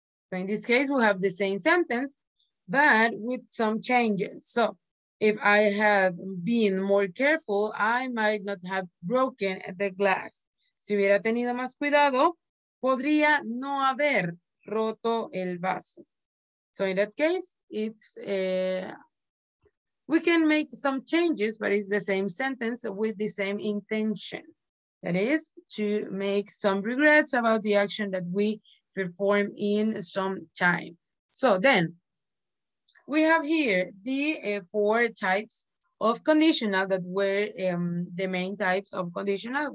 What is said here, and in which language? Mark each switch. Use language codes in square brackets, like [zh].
[en] So in this case, we have the same sentence, but with some changes. So if I have been more careful, I might not have broken the glass. [es] Si hubiera tenido más cuidado, podría no haber roto el vaso. [en] So in that case, it's we can make some changes, but it's the same sentence with the same intention. That is to make some regrets about the action that we perform in some time. So then we have here the four types of conditional that were the main types of conditional.